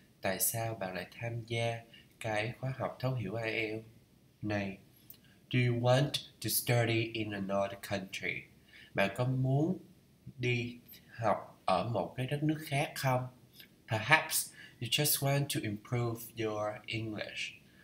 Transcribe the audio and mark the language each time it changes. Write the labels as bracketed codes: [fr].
[vi] Tại sao bạn lại tham gia cái khóa học thấu hiểu IELTS này? [en] Do you want to study in another country? [vi] Bạn có muốn đi học ở một cái đất nước khác không? [en] Perhaps you just want to improve your English.